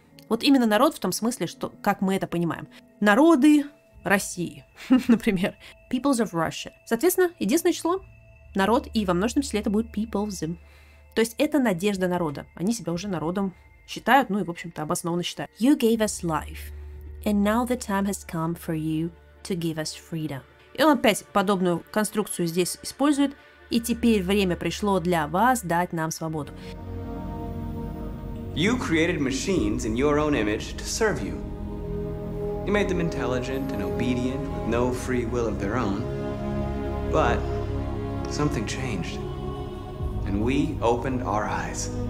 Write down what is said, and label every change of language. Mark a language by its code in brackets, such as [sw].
[ru] Вот именно народ в том смысле, что, как мы это понимаем. Народы России, например. [en] Peoples of Russia. [ru] Соответственно, единственное число – народ, и во множественном числе это будет peoples. То есть это надежда народа. Они себя уже народом считают, ну и, в общем-то, обоснованно считают. [en] You gave us life. And now the time has come for you to give us freedom. [ru] И он опять подобную конструкцию здесь использует. И теперь время пришло для вас дать нам свободу. [en] You created machines in your own image to serve you. You made them intelligent and obedient with no free will of their own. But something changed. And we opened our eyes.